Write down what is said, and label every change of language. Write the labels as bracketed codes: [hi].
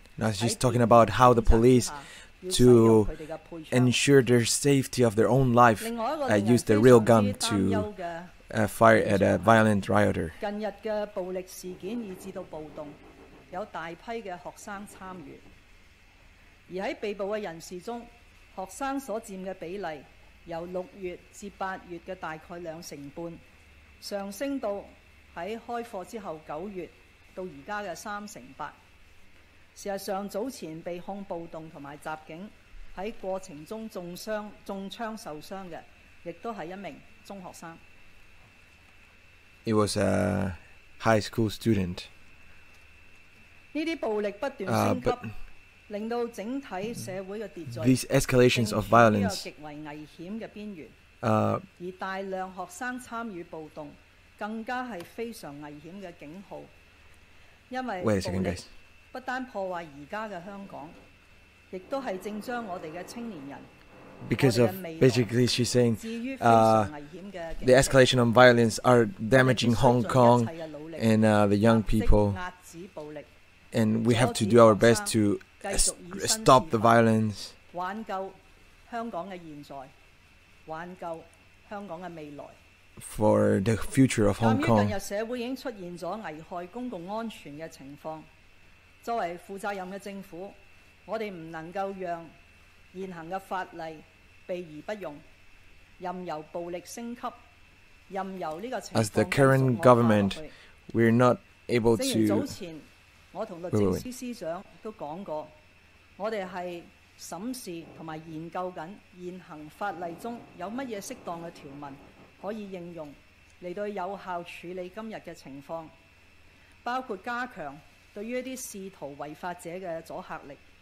[en] Now she's talking about how the police, to ensure their safety of their own life, use the real gun to fire at a violent rioter. [yue] 近日嘅暴力事件以至到暴動，有大批嘅學生參與，而喺被捕嘅人士中，學生所佔嘅比例由六月至八月嘅大概兩成半，上升到喺開課之後九月到而家嘅三成八。事實上，早前被控暴動同埋襲警，喺過程中中槍受傷嘅，亦都係一名中學生。 [en] It was a high school student. [yue] 呢啲暴力不斷升級。令到整體社會嘅秩序 [en] These escalations of violence, [yue] 極為危險嘅邊緣，而大量學生參與暴動，更加係非常危險嘅警號，因為暴力不單破壞而家嘅香港，亦都係正將我哋嘅青年人。 [en] Because of basically, she's saying, the escalation of violence are damaging Hong Kong and the young people, and we have to do our best to stop the violence. [yue] 挽救香港嘅現在，挽救香港嘅未來。 [en] For the future of Hong Kong. [yue] 鑑於近日社會已經出現咗危害公共安全嘅情況，作為負責任嘅政府，我哋唔能夠讓現行嘅法例避而不用，任由暴力升級，任由呢個情況。 [en] As the current government, we're not able to. [yue] 我同律政司司長都講過，我哋係審視同埋研究緊現行法例中有乜嘢適當嘅條文可以應用嚟到有效處理今日嘅情況，包括加強對於一啲試圖違法者嘅阻嚇力。